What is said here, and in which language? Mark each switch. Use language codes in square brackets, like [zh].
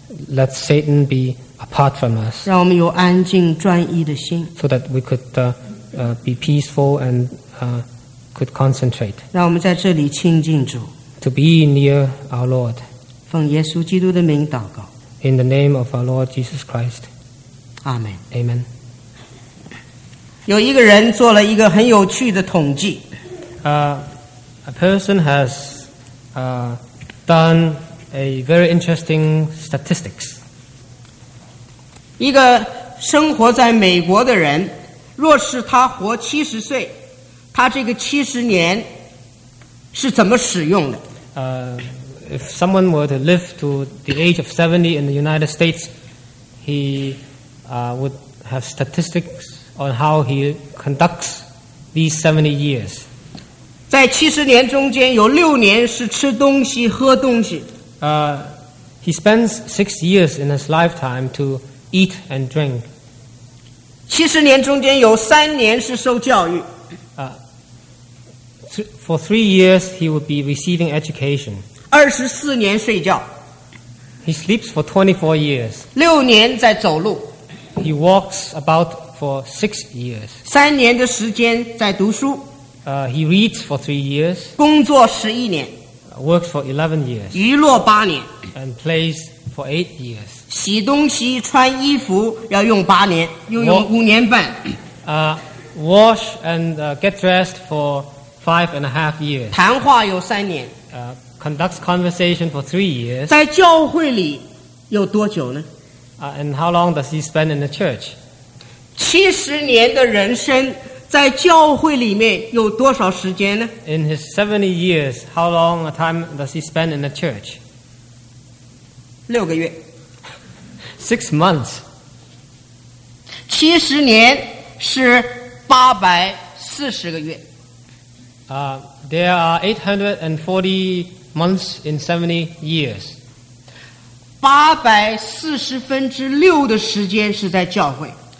[en] Let Satan be apart from us. [zh] 让我们有安静专一的心, [en] so that we could be peaceful and could concentrate. [zh] 让我们在这里亲近主, [en] to be near our Lord. [zh] 奉耶稣基督的名祷告。 [en] In the name of our Lord Jesus Christ. Amen. Amen. [zh] 有一个人做了一个很有趣的统计。 [en] A person has done a very interesting statistics. [zh] 一个生活在美国的人，若是他活七十岁，他这个七十年是怎么使用的？ [en] If someone were to live to the age of 70 in the United States, he would have statistics on how he conducts these 70 years. [zh] 在七十年中间有六年是吃东西喝东西。 [en] He spends 6 years in his lifetime to eat and drink. [zh] 七十年中间有三年是受教育。 [en] For 3 years, he would be receiving education. [zh] 24年睡觉。 [en] He sleeps for 24 years. [zh] 6年在走路。 [en] He walks about for 6 years. [zh] 3年的时间在读书。 [en] He reads for 3 years. [zh] 工作11年。 [en] Works for 11 years. [zh] 娱乐8年。 [en] And plays for 8 years. [zh] 洗东西、穿衣服要用8年，用5年半。 [en] Wash and get dressed for 5.5 years. [zh] 谈话有三年。 [en] Conducts conversation for 3 years. [zh] 在教会里有多久呢？ [en] And how long does he spend in the church? [zh] 七十年的人生在教会里面有多少时间呢？ [en] In his 70 years, how long a time does he spend in the church? [zh] 六个月。 [en] 6 months. [zh] 七十年是840个月。 [en] There are 840 months in 70 years. [zh] 840分之六的时间是在教会。